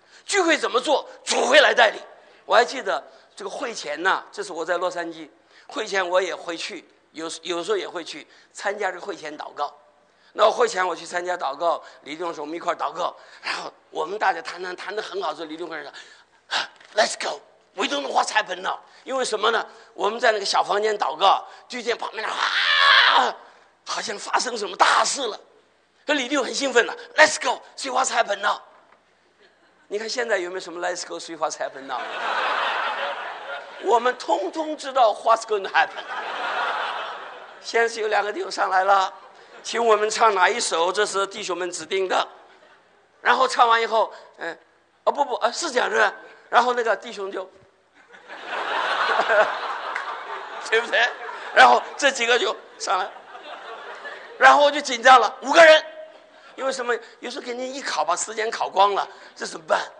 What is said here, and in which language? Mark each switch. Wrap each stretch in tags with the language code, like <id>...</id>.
<zh>聚会怎么做，主会来带领。我还记得这个会前呢，这是我在洛杉矶会前，我也会去，有时候也会去参加这个会前祷告。那我会前我去参加祷告，李弟兄说我们一块祷告，然后我们大家谈得很好。说李弟兄说</zh> <en>Let's go, we don't know what's happened now。</en> <zh>因为什么呢？我们在那个小房间祷告，就见旁边啊，好像发生什么大事了。李弟兄很兴奋了，</zh> <en>Let's go, see what's happened now。</en> <zh>你看现在有没有什么</zh> <en>Let's go, see what's happened now？</en> <zh>我们通通知道</zh> <en>what's going to happen。</en> <zh>先是有两个弟兄上来了，请我们唱哪一首，这是弟兄们指定的。然后唱完以后，哦不不、啊、是这样是吧？然后那个弟兄就对不对，然后这几个就上来，然后我就紧张了，五个人，因为什么，有时候给您一考把时间考光了，这怎么办？</zh>